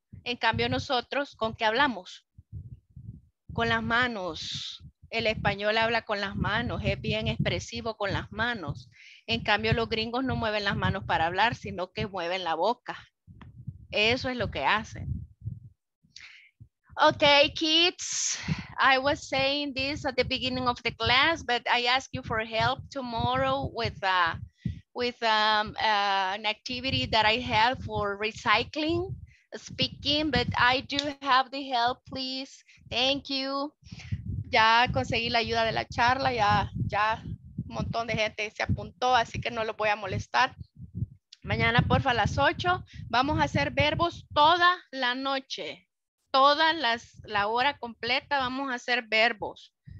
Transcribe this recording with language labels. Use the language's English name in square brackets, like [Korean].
[Spanish] En cambio, nosotros, ¿con qué hablamos? Con las manos. El español habla con las manos, es bien expresivo con las manos. En cambio, los gringos no mueven las manos para hablar, sino que mueven la boca. Eso es lo que hacen. [English] Okay, kids, I was saying this at the beginning of the class, but I ask you for help tomorrow with an activity that I have for recycling speaking, but I do have the help, please. Thank you. [Spanish] Ya conseguí la ayuda de la charla, ya un montón de gente se apuntó, así que no los voy a molestar. Mañana, porfa, a las 8, vamos a hacer verbos toda la noche, toda la hora completa vamos a hacer verbos.